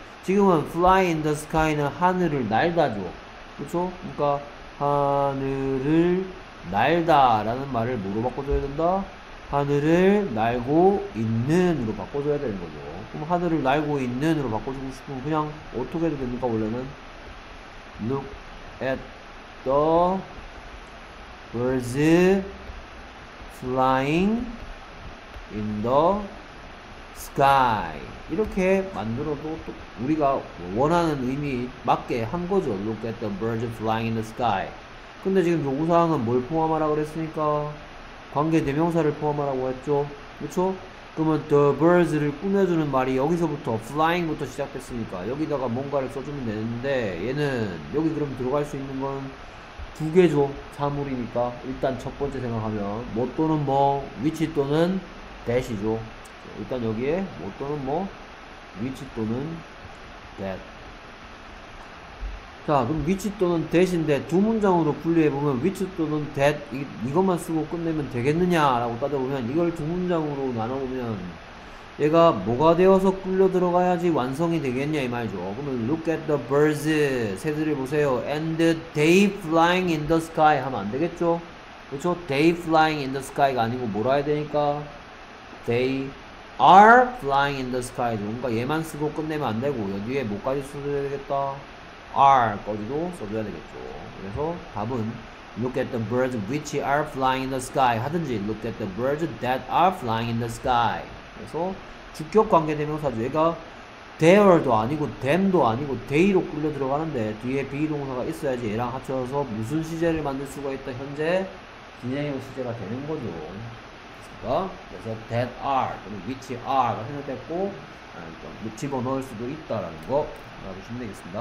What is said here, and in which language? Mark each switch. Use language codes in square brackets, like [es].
[ko] 지금은 [en] fly in the sky [ko] 는 하늘을 날다죠. 그렇죠? 그러니까 하늘을 날다라는 말을 뭐로 바꿔줘야 된다? 하늘을 날고 있는으로 바꿔줘야 되는 거죠. 그럼 하늘을 날고 있는으로 바꿔주고 싶으면 그냥 어떻게 해도 됩니까, 원래는? [en] Look at the birds flying in the sky. [ko] 이렇게 만들어도 또 우리가 원하는 의미에 맞게 한 거죠. [en] Look at the birds flying in the sky. [ko] 근데 지금 요구사항은 뭘 포함하라고 그랬으니까 관계대명사를 포함하라고 했죠. 그쵸? 그러면 the birds를 꾸며주는 말이 여기서부터 flying부터 시작됐으니까 여기다가 뭔가를 써주면 되는데 얘는 여기 그럼 들어갈 수 있는 건두 개죠. 사물이니까 일단 첫 번째 생각하면 뭐 또는 뭐 which 또는 that이죠. 일단 여기에 뭐 또는 뭐 which 또는 that. 자, 그럼 which 또는 that인데 두 문장으로 분리해보면 which 또는 that 이것만 쓰고 끝내면 되겠느냐라고 따져보면 이걸 두 문장으로 나눠보면 얘가 뭐가 되어서 끌려 들어가야지 완성이 되겠냐 이 말이죠. 그러면 [en] look at the birds [ko] 새들을 보세요. [en] and they flying in the sky [ko] 하면 안 되겠죠? 그렇죠? 그렇죠. [en] They flying in the sky가 [ko] 아니고 뭐라 해야 되니까? [en] They are flying in the sky. [ko] 뭔가 얘만 쓰고 끝내면 안 되고 여기에 뭐까지 써줘야 되겠다. Are 거기도 써줘야 되겠죠. 그래서 답은 [en] Look at the birds which are flying in the sky [ko] 하든지 [en] Look at the birds that are flying in the sky. [ko] 그래서 주격 관계대명사죠. 얘가 there도 아니고 them도 아니고 they로 끌려 들어가는데 뒤에 be 동사가 있어야지 얘랑 합쳐서 무슨 시제를 만들 수가 있다. 현재 진행형 시제가 되는 거죠. 그러니까 그래서 that are 또는 which are가 생각됐고 묻히번호일 수도 있다라는 거 알아두시면 되겠습니다.